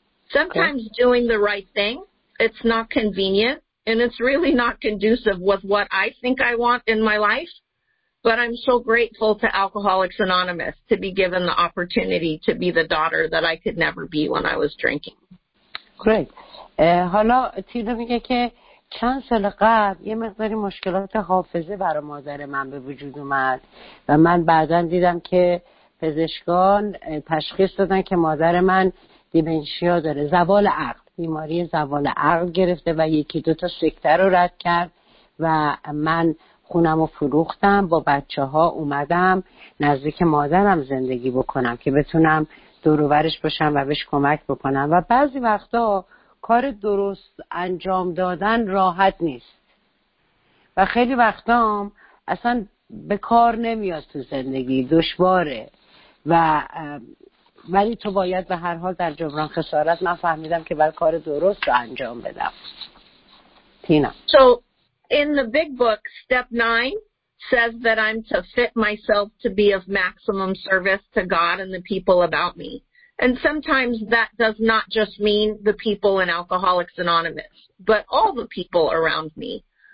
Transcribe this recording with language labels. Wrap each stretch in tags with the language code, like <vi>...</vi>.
<en>Sometimes doing the right thing, it's not convenient, and it's really not conducive with what I think I want in my life, but I'm so grateful to Alcoholics Anonymous to be given the opportunity to be the daughter that I could never be when I was drinking. Great.</en> <fa>حالا تینو میگه که چند سال قبل یه مقداری مشکلات حافظه برای مادر من به وجود اومد و من بعداً دیدم که پزشکان تشخیص دادن که مادر من دیمنشیا داره، زوال عقل، بیماری زوال عقل گرفته و یکی دوتا سکته رو رد کرد و من خونم رو فروختم، با بچه ها اومدم نزدیک مادرم زندگی بکنم که بتونم دوروبرش باشم و بهش کمک بکنم. و بعضی وقتا کار درست انجام دادن راحت نیست و خیلی وقتا هم اصلا به کار نمیاد تو زندگی، دشواره. و ولی تو باید به هر حال در جبران خسارت، من فهمیدم که باید کار درست رو انجام بدم. تینا.</fa> <en>So in the big book step 9 says that I'm to fit myself to be of maximum service to God and the people about me. And sometimes that does not just mean the people in Alcoholics Anonymous, but all the people around me.</en>